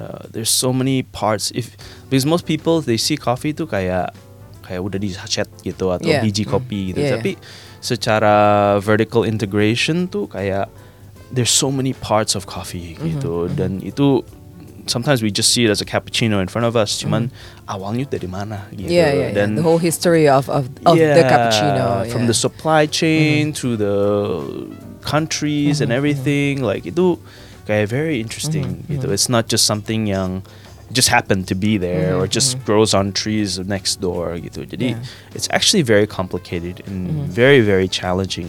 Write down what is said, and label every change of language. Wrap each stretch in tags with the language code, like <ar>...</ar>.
<en>There's so many parts. Because most people, they see coffee</en> <id>tuh kayak udah di sachet gitu atau biji kopi gitu. Tapi secara</id> <en>vertical integration</en> <id>tuh kayak</id> <en>there's so many parts of coffee</en> <id>gitu. Dan itu</id> <en>sometimes we just see it as a cappuccino in front of us.</en> <id>Cuman awalnya dari mana gitu.</id> <en>Then the whole history of the cappuccino. From the supply chain to the countries and everything. Like</en> <id>itu kayak</id> <en>very interesting</en> <id>gitu.</id> <en>It's not just something</en> <id>yang</id> <en>just happened to be there or just grows on trees next door gitu.</en> <id>Jadi</id> <en>it's actually very complicated and very, very challenging.</en>